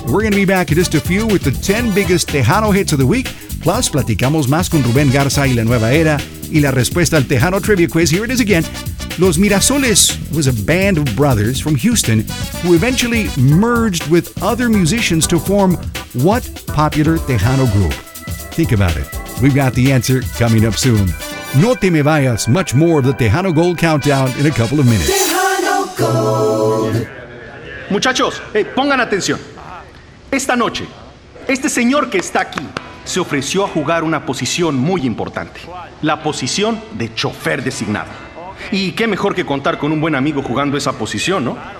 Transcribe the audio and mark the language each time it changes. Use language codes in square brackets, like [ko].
[en] We're going to be back in just a few with the 10 biggest Tejano hits of the week. Plus, [es] platicamos más con Rubén Garza y La Nueva Era. Y la respuesta al Tejano Trivia Quiz, [en] here it is again. Los Mirasoles was a band of brothers from Houston who eventually merged with other musicians to form what popular Tejano group? Think about it. We've got the answer coming up soon. [es] No te me vayas. [en] Much more of the Tejano Gold Countdown in a couple of minutes. Tejano Gold. [es] Muchachos, hey, pongan atención. Esta noche, este señor que está aquí se ofreció a jugar una posición muy importante. La posición de chofer designado. Y qué mejor que contar con un buen amigo jugando esa posición, ¿no?